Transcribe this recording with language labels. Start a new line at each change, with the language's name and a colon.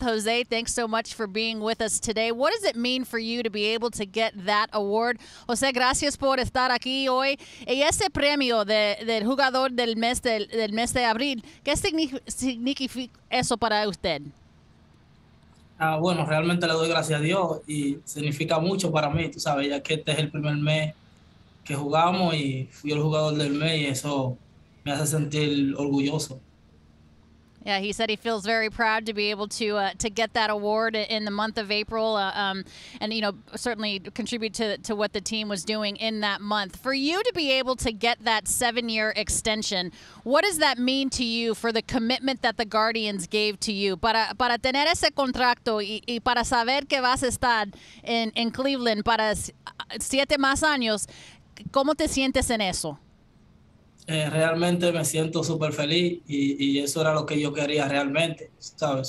English: José, thanks so much for being with us today. What does it mean for you to be able to get that award?
Spanish: José, gracias por estar aquí hoy. Y ese premio del jugador del mes de abril, ¿qué significa eso para usted? Bueno, realmente le doy gracias a Dios y significa mucho para mí. Tú sabes, ya que este es el primer mes que jugamos y fui el jugador del mes y eso me hace sentir orgulloso.
English: Yeah, he said he feels very proud to be able to get that award in the month of April and, you know, certainly contribute to what the team was doing in that month. For you to be able to get that seven-year extension, what does that mean to you for the commitment that the Guardians gave to you?
Spanish: Para tener ese contrato y para saber que vas a estar en Cleveland para siete más años, ¿cómo te sientes en eso? Realmente me siento súper feliz y eso era lo que yo quería realmente, ¿sabes?